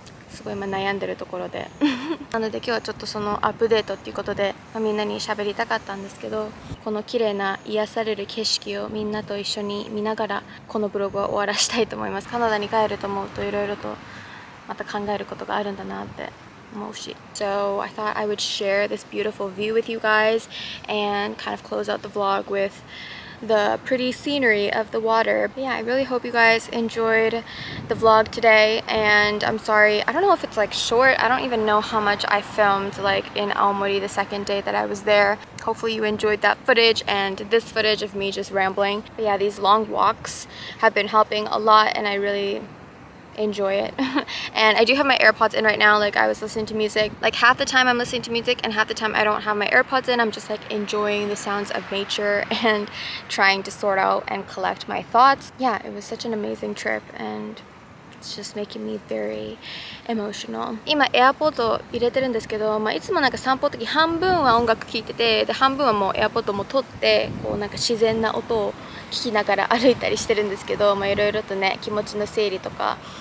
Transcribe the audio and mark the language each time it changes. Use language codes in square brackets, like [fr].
[ja] すごい今悩んでるところでなので今日はちょっとそのアップデートっていうことで、まあ、みんなに喋りたかったんですけど、この綺麗な癒される景色をみんなと一緒に見ながらこのブログは終わらしたいと思います。カナダに帰ると思うといろいろとまた考えることがあるんだなって思うし。 [en] So I thought I would share this beautiful view with you guys and kind of close out the vlog with the pretty scenery of the water. But yeah, I really hope you guys enjoyed the vlog today and I'm sorry, I don't know if it's like short, I don't even know how much I filmed like in Aomori the second day that I was there. Hopefully you enjoyed that footage and this footage of me just rambling. But yeah, these long walks have been helping a lot and I reallyenjoy it. And I do have my AirPods in right now, like I was listening to music. Like half the time I'm listening to music and half the time I don't have my AirPods in. I'm just like enjoying the sounds of nature and trying to sort out and collect my thoughts. Yeah, it was such an amazing trip and it's just making me very emotional. [ja] 今 AirPods 入れてるんですけど、まあ、いつもなんか散歩の時半分は音楽聴いてて、で半分はもう AirPods も取ってこうなんか自然な音を聞きながら歩いたりしてるんですけど、まあ、いろいろとね気持ちの整理とか